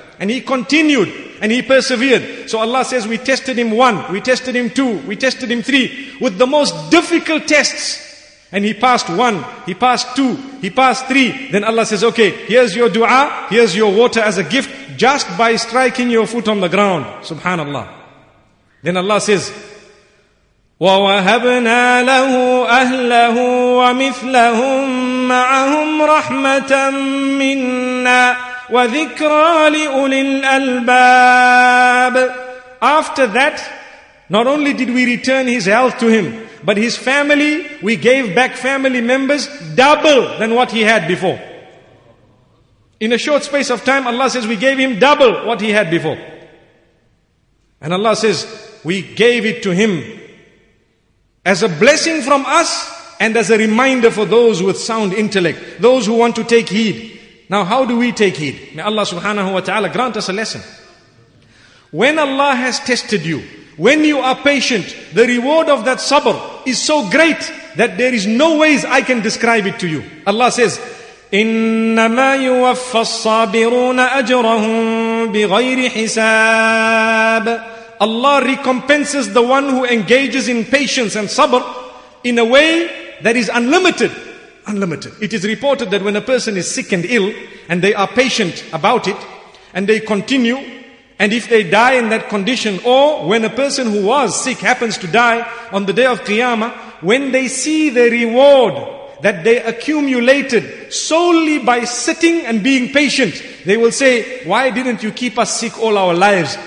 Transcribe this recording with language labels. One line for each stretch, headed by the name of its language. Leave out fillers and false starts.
English: And he continued and he persevered. So Allah says, we tested him one, we tested him two, we tested him three with the most difficult tests. And he passed one, he passed two, he passed three. Then Allah says, okay, here's your dua, here's your water as a gift, just by striking your foot on the ground. Subhanallah. Then Allah says,
Arabic: وَوَهَبْنَا لَهُ أَهْلَهُ وَمِثْلَهُمْ مَعَهُمْ رَحْمَةً مِنَّا وَذِكْرَى لِأُولِي الْأَلْبَابِ.
English: After that, not only did we return his health to him, but his family, we gave back family members double than what he had before. In a short space of time, Allah says, we gave him double what he had before. And Allah says, we gave it to him as a blessing from us and as a reminder for those with sound intellect, those who want to take heed. Now, how do we take heed? May Allah subhanahu wa ta'ala grant us a lesson. When Allah has tested you, when you are patient, the reward of that sabr is so great that there is no ways I can describe it to you. Allah says,
Arabic: إِنَّمَا يُوَفَّى الصَّابِرُونَ أَجْرَهُمْ بِغَيْرِ حِسَابٍ.
English: Allah recompenses the one who engages in patience and sabr in a way that is unlimited. Unlimited. It is reported that when a person is sick and ill and they are patient about it and they continue, and if they die in that condition, or when a person who was sick happens to die on the day of Qiyamah, when they see the reward that they accumulated solely by sitting and being patient, they will say, why didn't you keep us sick all our lives?